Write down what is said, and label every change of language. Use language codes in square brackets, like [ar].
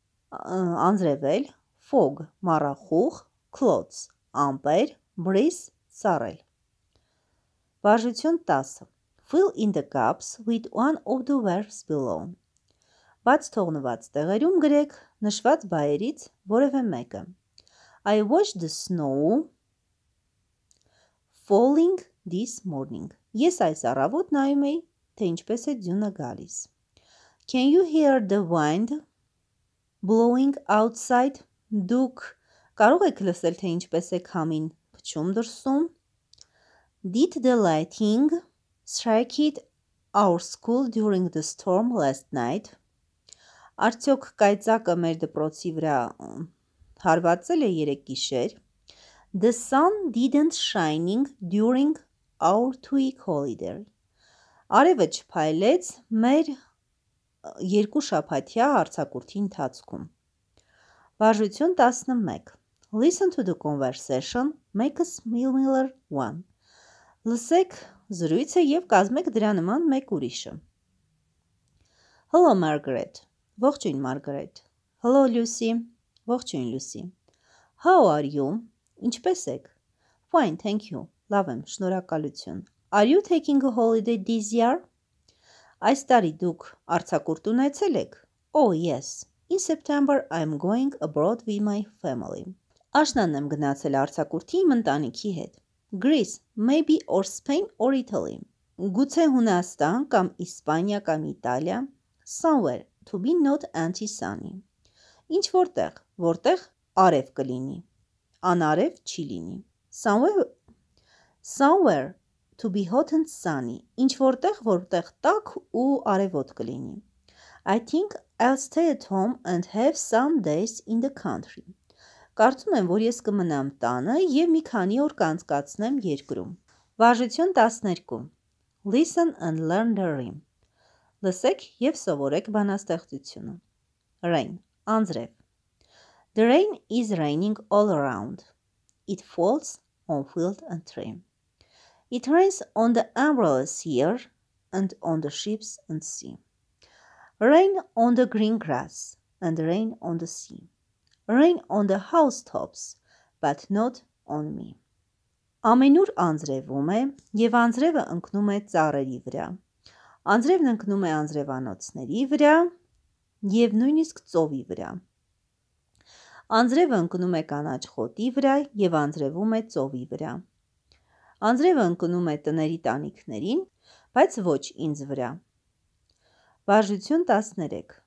[hy] Անձրևել. [en] Fog, մառախուղ, clouds, ամպեր, breeze, սառել. [hy] Բաժություն 10. [en] Fill in the gaps with one of the verbs below. [hy] Բաց թողնված տեղերում գրեք նշված բայերից որևէ մեկը. [en] I watched the snow falling this morning. [hy] Ես այս առավոտ նայում էի, թե ինչպես է ձյունը գալիս. [en] Can you hear the wind blowing outside? [hy] Դուք կարող եք լսել, թե ինչպես է քամին փչում դրսում? [en] Did the lightning strike it our school during the storm last night? [hy] Արդյոք կայծակը մեր դպրոցի վրա հարվածել է երեկ գիշեր? [en] The sun didn't shining during our 2-week holiday. [hy] Արևը չփայլեց մեր 2 շաբաթյա հարցակուրտի ընթացքում. [en] Բաժություն 11. Listen to the conversation, make a similar one. [hy] Լսեք զրույց է և կազմեք դրա նման մեկ ուրիշը։ [en] Hello Margaret. [hy] Ողջույն Margaret. [en] Hello Lucy. [hy] Ողջույն Lucy. [en] How are you? [hy] Ինչպե՞ս եք։ [en] Fine, thank you. [hy] Լավ եմ, շնորհակալություն։ [en] Are you taking a holiday this year? [hy] Այս տարի դուք արձակուրդ ունեցել եք։ [en] Oh yes. In September I'm going abroad with my family. [hy] Աշնան եմ գնացել արձակուրդի իմ ընտանիքի հետ։ [en] Greece, maybe or Spain or Italy. [hy] Գուցե Հունաստան կամ Իսպանիա կամ Իտալիա. [en] Somewhere, to be not anti-sunny. [hy] Ինչ որտեղ, որտեղ արև կլինի, անարև չի լինի. [en] Somewhere, to be hot and sunny. [hy] Ինչ որտեղ, որտեղ տաք ու արևոտ կլինի. [en] I think I'll stay at home and have some days in the country. [hy] Կարծում եմ, որ ես կմնամ տանը և մի քանի օր կանցկացնեմ երկրում։ Վարժություն 12. [en] Listen and learn the rhyme. [hy] Լսեք և սովորեք բանաստեղծությունը։ [en] Rain. Անձրև. The rain is raining all around. It falls on field and tree. It rains on the umbrellas here and on the ships and sea. Rain on the green grass and rain on the sea. Rain on the house tops, but not on me. [hy] Ամենուր անձրևում է և անձրևը ընկնում է ծառերի վրա։ Անձրևն ընկնում է անձրևանոցների վրա և նույնիսկ ծովի վրա։ Անձրևը ընկնում է կանաչ խոտի վրա և անձրևում է ծովի վրա։ Անձրևը ընկնում է տների տանիքներին, բայց ոչ ինձ վրա։ Վարժություն 13.